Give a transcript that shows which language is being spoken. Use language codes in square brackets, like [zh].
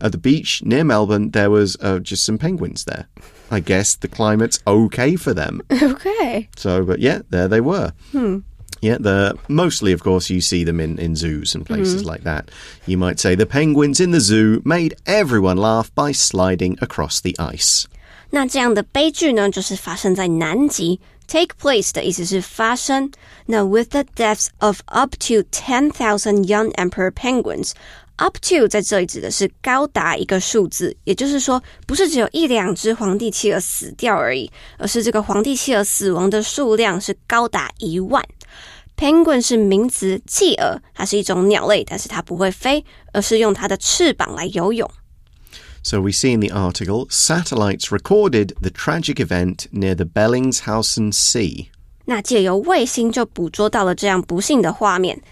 [en] At the beach near Melbourne, there was just some penguins there. I guess the climate's okay for them. Okay. So, but yeah, there they were. Yeah, they're mostly, of course, you see them in zoos and places like that. You might say the penguins in the zoo made everyone laugh by sliding across the ice. [zh] 那这样的悲剧呢，就是发生在南极。 Take place 的意思是发生。 [en] Now, with the deaths of up to 10,000 young emperor penguins, [zh] up to 在这里指的是高达一个数字，也就是说不是只有一两只皇帝企鹅死掉而已，而是这个皇帝企鹅死亡的数量是高达一万。 Penguin 是名词，企鹅，它是一种鸟类，但是它不会飞，而是用它的翅膀来游泳。 [en] So we see in the article, satellites recorded the tragic event near the Bellingshausen Sea. [zh] 那借由卫星就捕捉到了这样不幸的画面。